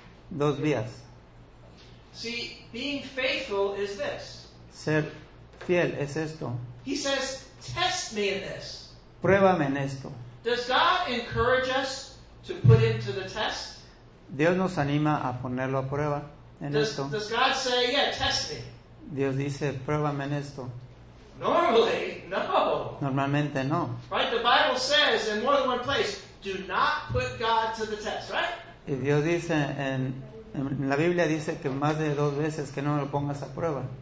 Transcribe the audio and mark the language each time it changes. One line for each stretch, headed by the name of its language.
Spanish: dos vías.
English: See, being faithful is this.
Spanish: Ser fiel es esto.
English: He says, test me in this.
Spanish: Pruébame en esto.
English: Does God encourage us to put it to the test?
Spanish: Dios nos anima a ponerlo a prueba en esto.
English: Does God say, yeah, test me?
Spanish: Dios dice, pruébame en esto.
English: Normally, no.
Spanish: Normalmente no.
English: Right? The Bible says in more than one place, do not put God to the test, right?
Spanish: Y Dios dice, en la Biblia dice que más de dos veces que no lo pongas a prueba.